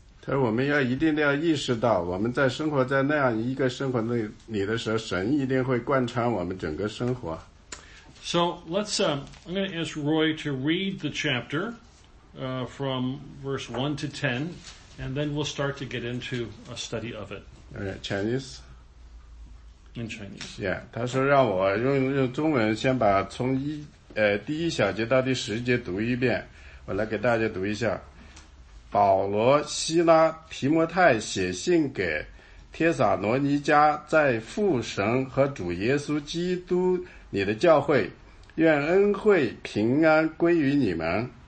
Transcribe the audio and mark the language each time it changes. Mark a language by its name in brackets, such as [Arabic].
[Chinese] 所以我们要一定要意识到，我们在生活在那样一个生活里的时候，神一定会贯穿我们整个生活。 [English] So let's, I'm going to ask Roy to read the chapter, from verse 1 to 10, and then we'll start to get into a study of it. All right, Chinese. In Chinese. [Chinese] Yeah, 他说让我用中文先把从第一小节到第十节读一遍，我来给大家读一下。保罗、希拉、提摩太写信给帖撒罗尼迦在父神和主耶稣基督你的教会，愿恩惠平安归于你们。